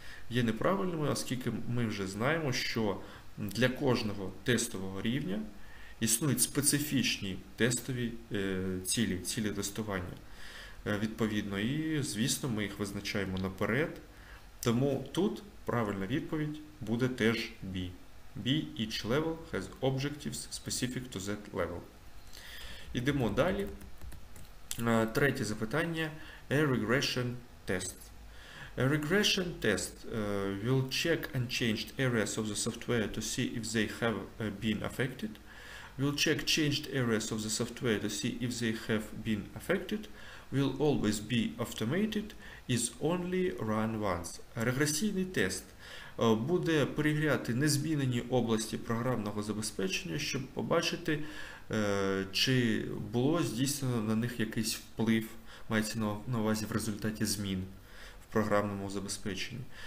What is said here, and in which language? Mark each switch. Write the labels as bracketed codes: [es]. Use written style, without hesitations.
[uk] Є неправильними, оскільки ми вже знаємо, що для кожного тестового рівня існують специфічні тестові цілі тестування. Відповідно, і звісно, ми їх визначаємо наперед. Тому тут правильна відповідь буде теж B. [en] B each level has objectives specific to that level. [uk] Йдемо далі. Третє запитання. [en] A regression test. A regression test will check unchanged areas of the software to see if they have been affected. Will check changed areas of the software to see if they have been affected. Will always be automated. Is only run once. [uk] Регресійний тест буде перевіряти незмінені області програмного забезпечення, щоб побачити, чи було здійснено на них якийсь вплив, мається на увазі в результаті змін програмному забезпеченні.